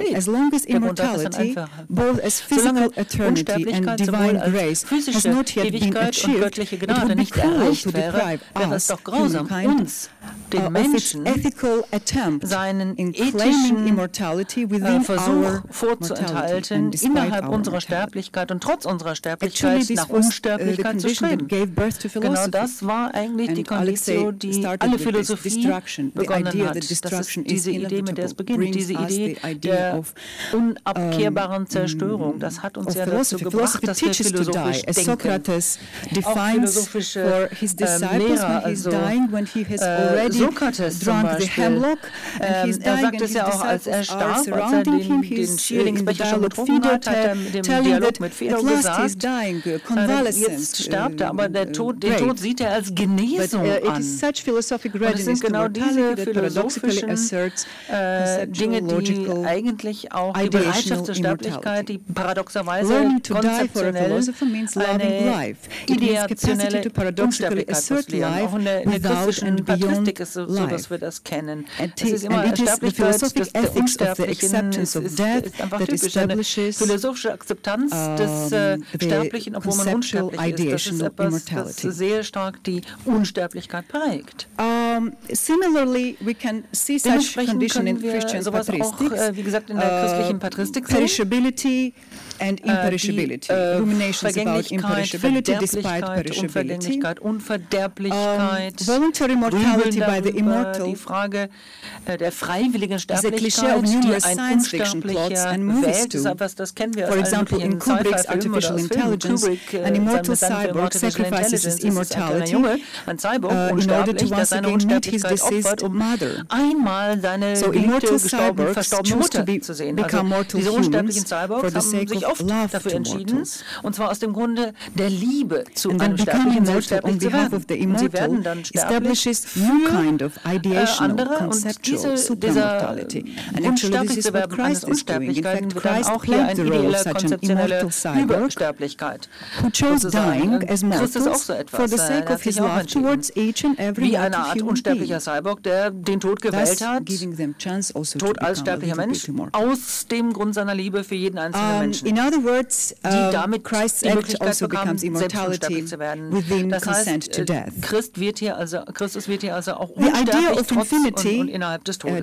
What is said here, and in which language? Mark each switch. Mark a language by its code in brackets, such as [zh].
[en] As long as immortality, both as physical eternity and divine grace, has not yet been achieved, it would be cruel to deprive us, humankind, of its ethical attempt in claiming immortality within our mortality and despite our mortality. [de] Und trotz unserer Sterblichkeit nach Unsterblichkeit zu streben. Genau das war eigentlich die Kondition, die alle Philosophie begonnen hat. Das ist diese Idee, mit der es beginnt, diese Idee der unabkehrbaren Zerstörung. Das hat uns ja dazu gebracht, dass wir philosophisch denken. Auch philosophische Lehrer, also Sokrates zum Beispiel, er sagt es ja auch, als er starb, als er den Schierlingsbecher schon getrunken hat, hat er dem Dialog mit Phaedo gesagt, jetzt sterbt er, aber den Tod sieht er als Genesung an. Und es sind genau diese philosophischen Dinge, die eigentlich auch die Bereitschaft zur Sterblichkeit, die paradoxerweise konzeptionell eine ideationelle Unsterblichkeit zu lehren. Auch in der christlichen Patristik ist so, dass wir das kennen. [en] It is the philosophic ethics of the acceptance of death that establishes [de] philosophische Akzeptanz des Sterblichen, obwohl man unsterblich ist. Das ist etwas, das sehr stark die Unsterblichkeit prägt. [en] Similarly, we can see such condition in Christian [de] patristics. Wie gesagt, in der christlichen Patristik sehen. [en] Perishability, and imperishability. Rumination is about imperishability despite perishability. [de] Unverderblichkeit, [en] voluntary mortality by the immortal. [de] Die Frage der freiwilligen Sterblichkeit, [en] is a cliché of numerous science fiction plots and movies too. For example, in Kubrick's Artificial Intelligence, an immortal cyborg sacrifices his immortality in order to once again meet his deceased mother. So immortal cyborgs choose to become mortal humans for the sake of love to mortals. [de] Und zwar aus dem Grunde der Liebe zu [en] and then becoming mortal on behalf of the immortal establishes new kind of ideational, conceptual supermortality. And actually this is what Christ is doing. In fact, Christ played the role of such an immortal cyborg who chose dying as mortals for the sake of his love towards each and every mortal human being. Thus giving them chance also to become a little bit immortal. [de] Aus dem Grund seiner Liebe für jeden einzelnen Menschen. [en] In other words, [de] damit [en] Christ's act also becomes immortality within consent to death. [de] Christus wird hier also auch unsterblich trotz und innerhalb des Todes.